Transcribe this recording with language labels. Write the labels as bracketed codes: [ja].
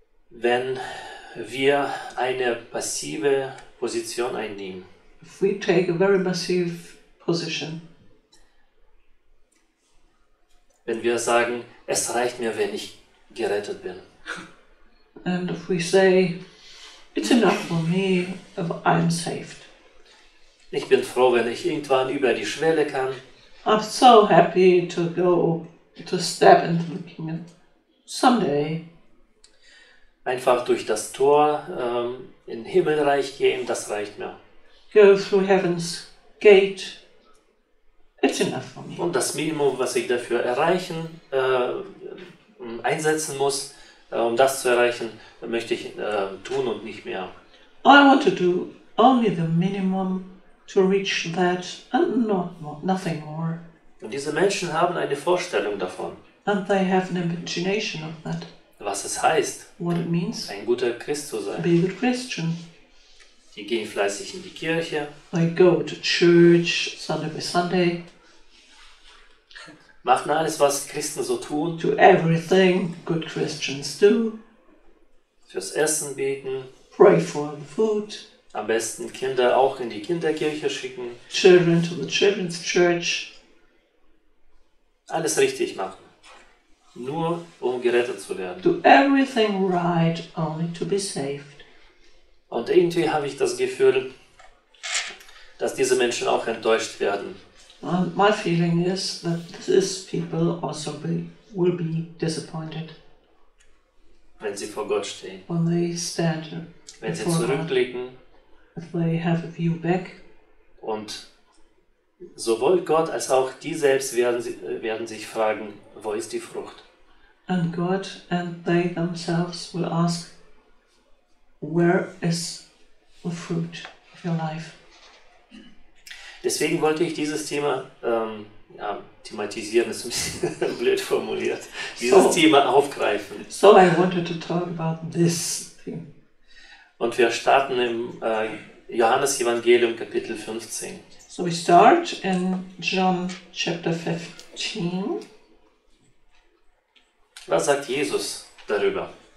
[de] Wenn wir eine passive Position einnehmen. [en] If we take a very passive position. [de] Wenn wir sagen, es reicht mir, wenn ich gerettet bin. [en] And if we say, it's enough for me, if I'm saved. [de] Ich bin froh, wenn ich irgendwann über die Schwelle kann. [en] I'm so happy to go, to step into the kingdom someday. [de] Einfach durch das Tor in Himmelreich gehen, das reicht mir. [en] Go through heaven's gate. It's enough for me. [de] Und das Minimum, was ich dafür erreichen, einsetzen muss, um das zu erreichen, möchte ich tun und nicht mehr. [en] I want to do only the minimum to reach that and nothing more. [de] Und diese Menschen haben eine Vorstellung davon. [en] And they have an imagination of that. [de] Was es heißt, [en] what it means, [de] ein guter Christ zu sein. [en] Be a good Christian. [de] Die gehen fleißig in die Kirche. [en] I go to church Sunday by Sunday. [de] Machen alles, was Christen so tun. [en] Do everything good Christians do. [de] Fürs Essen beten. [en] Pray for the food. [de] Am besten Kinder auch in die Kinderkirche schicken. [en] Children to the children's church. [de] Alles richtig machen. Nur um gerettet zu werden. [en] Do everything right only to be saved. [de] Und irgendwie habe ich das Gefühl, dass diese Menschen auch enttäuscht werden. [en] My feeling is that these people also will be disappointed. [de] Wenn sie vor Gott stehen. [en] When they stand. [de] Wenn sie zurückblicken. [en] If they have a view back. [de] Und sowohl Gott als auch die selbst werden sich fragen, wo ist die Frucht? [en] And God and they themselves will ask, where is the fruit of your life? [de] Deswegen wollte ich dieses Thema thematisieren, ist ein bisschen blöd formuliert, dieses Thema aufgreifen. [en] So I wanted to talk about this thing. [de] Und wir starten im Johannes-Evangelium, Kapitel 15. [en] So we start in John chapter 15. [de] Was sagt Jesus darüber?